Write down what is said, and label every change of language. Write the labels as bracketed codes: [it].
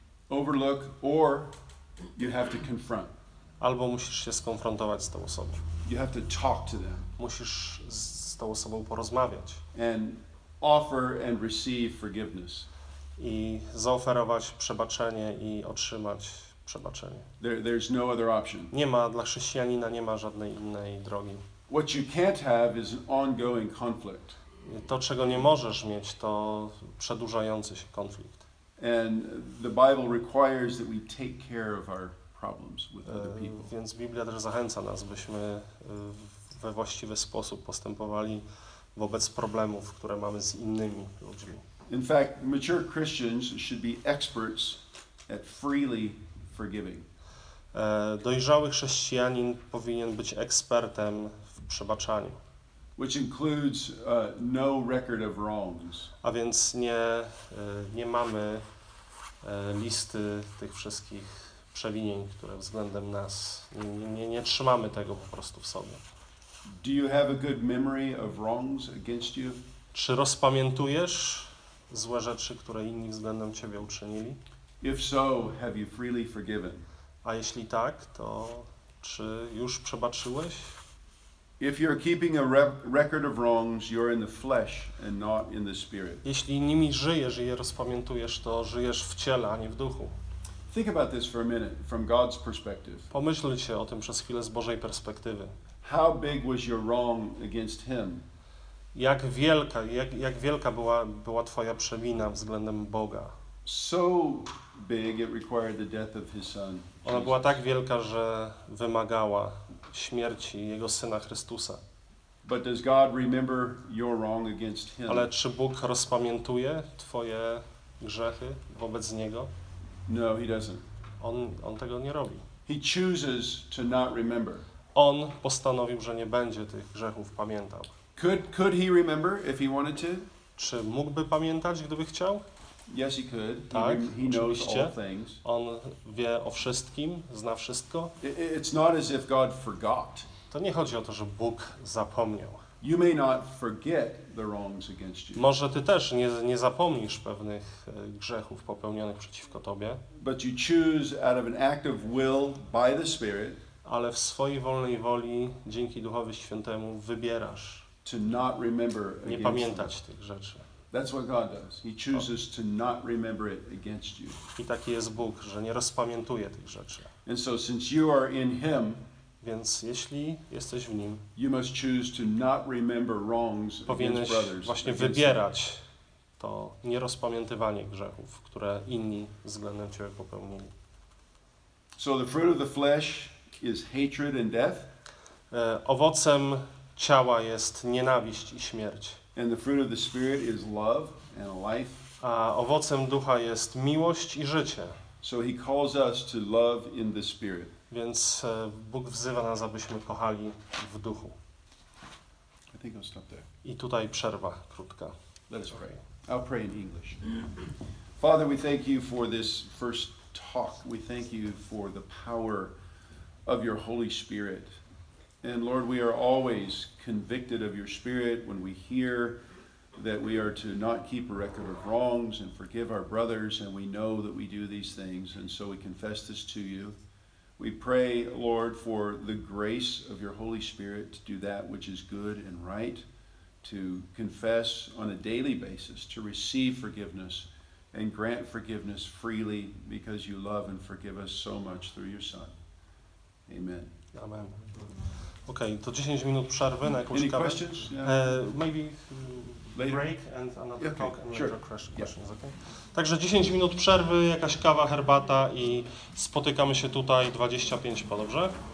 [en] Overlook, or you have to confront. [pl] Albo musisz się skonfrontować z tą osobą. [en] You have to talk to them. [pl] Musisz z tą osobą porozmawiać. [en] And offer and receive forgiveness. [pl] I zaoferować przebaczenie i otrzymać przebaczenie. [en] There's no other option. [pl] Nie ma dla chrześcijanina nie ma żadnej innej drogi. [en] What you can't have is an ongoing conflict. [pl] To czego nie możesz mieć to przedłużający się konflikt. [en] And the Bible requires that we take care of our problems with other people. [pl] Więc Biblia też zachęca nas, byśmy we właściwy sposób postępowali wobec problemów, które mamy z innymi ludźmi. [en] In fact, mature Christians should be experts at freely forgiving. [pl] Dojrzały chrześcijanin powinien być ekspertem w przebaczaniu. [en] Which includes no record of wrongs. [pl] A więc nie mamy listy tych wszystkich przewinień, które względem nas nie trzymamy tego po prostu w sobie. [en] Do you have a good memory of wrongs against you? [pl] Czy rozpamiętujesz złe rzeczy, które inni względem ciebie uczynili? [en] If so, have you freely forgiven? [pl] A jeśli tak, to czy już przebaczyłeś? [en] If you're keeping a record of wrongs, you're in the flesh and not in the spirit. [pl] Jeśli nimi żyjesz i je rozpamiętujesz, to żyjesz w ciele, a nie w duchu. [en] Think about this for a minute from God's perspective. [pl] Pomyślcie o tym przez chwilę z Bożej perspektywy. [en] How big was your wrong against him? [pl] Jak wielka była twoja przewina względem Boga? [en] So big it required the death of his son. [pl] Ona była tak wielka, że wymagała śmierci jego syna Chrystusa. [en] But does God remember your wrong against him? [pl] Ale czy Bóg rozpamiętuje twoje grzechy wobec niego? [en] No, he doesn't. [pl] On tego nie robi. [en] He chooses to not remember. [pl] On postanowił, że nie będzie tych grzechów pamiętał. [en] Could he remember if he wanted to? [pl] Czy mógłby pamiętać, gdyby chciał? [en] Yes, he could. [pl] Tak, [en] he knows all things. [pl] On wie o wszystkim, zna wszystko. [en] It's not as if God forgot. [pl] To nie chodzi o to, że Bóg zapomniał. [en] You may not forget the wrongs against you. [pl] Może ty też nie zapomnisz pewnych grzechów popełnionych przeciwko tobie. [en] But you choose out of an act of will by the Spirit. [pl] Ale w swojej wolnej woli, dzięki Duchowi Świętemu, wybierasz [en] to not remember against [pl] nie pamiętać tych rzeczy. [en] That's what God does. He chooses to not remember it against you. [pl] I taki jest Bóg, że nie rozpamiętuje tych rzeczy. [en] And so since you are in him, [pl] więc jeśli jesteś w nim, [en] you must choose to not remember wrongs against brothers. [pl] Powinieneś właśnie wybierać to nierozpamiętywanie grzechów, które inni względem ciebie popełnili. [en] So the fruit of the flesh is hatred and death. [pl] Owocem ciała jest nienawiść i śmierć. [en] And the fruit of the spirit is love and life. [pl] A owocem ducha jest miłość i życie. [en] So he calls us to love in the spirit. [pl] Więc Bóg wzywa nas, abyśmy kochali w duchu. [en] I think I'll stop there. [pl] I tutaj przerwa krótka. [en] Let's pray. I'll pray in English. Father, we thank you for this first talk. We thank you for the power of your Holy Spirit. And Lord, we are always convicted of your Spirit when we hear that we are to not keep a record of wrongs and forgive our brothers, and we know that we do these things, and so we confess this to you. We pray, Lord, for the grace of your Holy Spirit to do that which is good and right, to confess on a daily basis, to receive forgiveness and grant forgiveness freely because you love and forgive us so much through your Son. Amen. Amen. [pl] Okay, to 10 minut przerwy na jakąś [en] any [pl] kawę. [en] Questions? Maybe later. Break and another okay. Talk and sure. Questions, okay? [pl] Także 10 minut przerwy, jakaś kawa, herbata i spotykamy się tutaj 25 po, dobrze?